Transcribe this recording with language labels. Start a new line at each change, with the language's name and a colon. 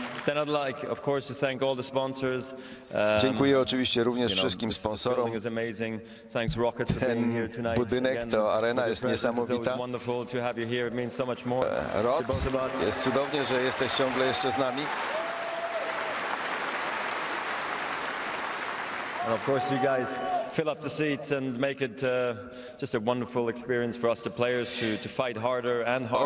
English: Then I'd like, of course, to thank all the sponsors.
Polish: Dziękuję oczywiście również wszystkim sponsorom.
English: Thanks Rocket for being here tonight.
Polish: Budynek, to arena jest niesamowita.
English: Wonderful to have you here. It means so much more.
Polish: Rod, jest cudownie, że jesteś ciągle jeszcze z nami.
English: And of course, you guys fill up the seats and make it just a wonderful experience for us, the players, to fight harder and harder.